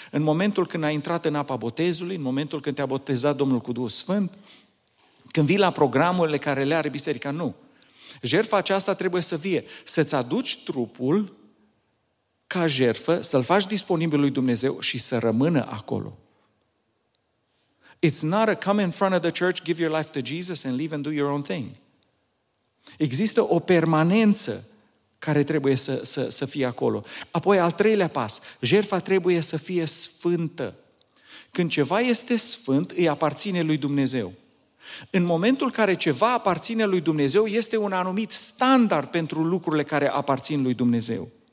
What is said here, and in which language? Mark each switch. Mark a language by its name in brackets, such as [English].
[Romanian] În momentul când ai intrat în apa botezului, în momentul când te-a botezat Domnul cu Duhul Sfânt, când vii la programurile care le are biserica, nu. Jertfa aceasta trebuie să vie. Să-ți aduci trupul ca jertfă, să-l faci disponibil lui Dumnezeu și să rămână acolo. [English] It's not a come in front of the church, give your life to Jesus and leave and do your own thing. [Romanian] Există o permanență care trebuie să fie acolo. Apoi, al treilea pas, jertfa trebuie să fie sfântă. Când ceva este sfânt, îi aparține lui Dumnezeu. În momentul în care ceva aparține lui Dumnezeu, este un anumit standard pentru lucrurile care aparțin lui Dumnezeu.